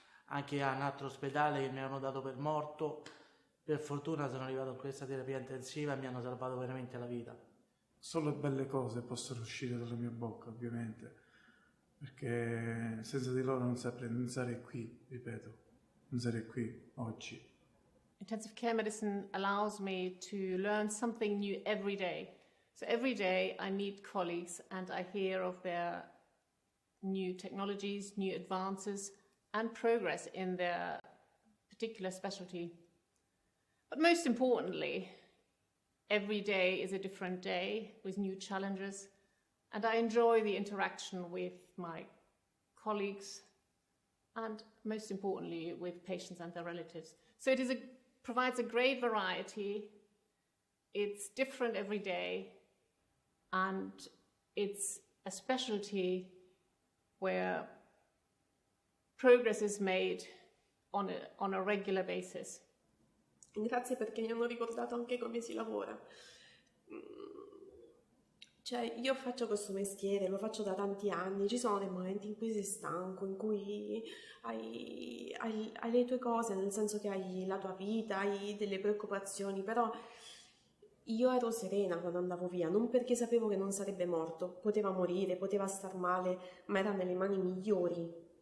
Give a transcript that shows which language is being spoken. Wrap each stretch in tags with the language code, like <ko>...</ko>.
<it>Anche a un altro ospedale che mi hanno dato per morto, per fortuna sono arrivato a questa terapia intensiva e mi hanno salvato veramente la vita. Solo belle cose possono uscire dalla mia bocca, ovviamente, perché senza di loro non sarei qui, ripeto, non sarei qui oggi.</it> <en>Intensive care medicine allows me to learn something new every day. So every day I meet colleagues and I hear of their new technologies, new advances, and progress in their particular specialty. But most importantly, every day is a different day with new challenges, and I enjoy the interaction with my colleagues and most importantly with patients and their relatives. So it provides a great variety. It's different every day, and it's a specialty where progress is made on a regular basis.</en> <it>Grazie perché mi hanno ricordato anche come si lavora. Cioè, io faccio questo mestiere, lo faccio da tanti anni, ci sono dei momenti in cui sei stanco, in cui hai le tue cose, nel senso che hai la tua vita, hai delle preoccupazioni, però io ero serena quando andavo via, non perché sapevo che non sarebbe morto, poteva morire, poteva star male, ma era nelle mani migliori.</it>